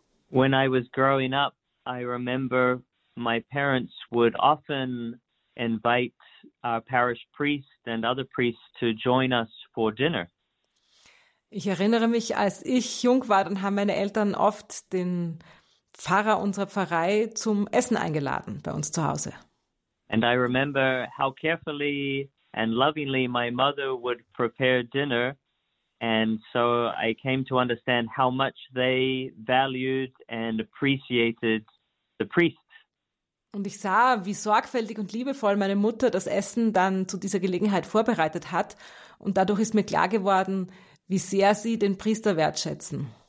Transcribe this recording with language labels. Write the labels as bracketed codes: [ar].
[en] When I was growing up, I remember my parents would often invite our parish priest and other priests to join us for dinner. [de] Ich erinnere mich, als ich jung war, dann haben meine Eltern oft den Pfarrer unserer Pfarrei zum Essen eingeladen bei uns zu Hause. [en] And I remember how carefully and lovingly my mother would prepare dinner, and so I came to understand how much they valued and appreciated the priest. [de] Und ich sah, wie sorgfältig und liebevoll meine Mutter das Essen dann zu dieser Gelegenheit vorbereitet hat. Und dadurch ist mir klar geworden, wie sehr sie den Priester wertschätzen.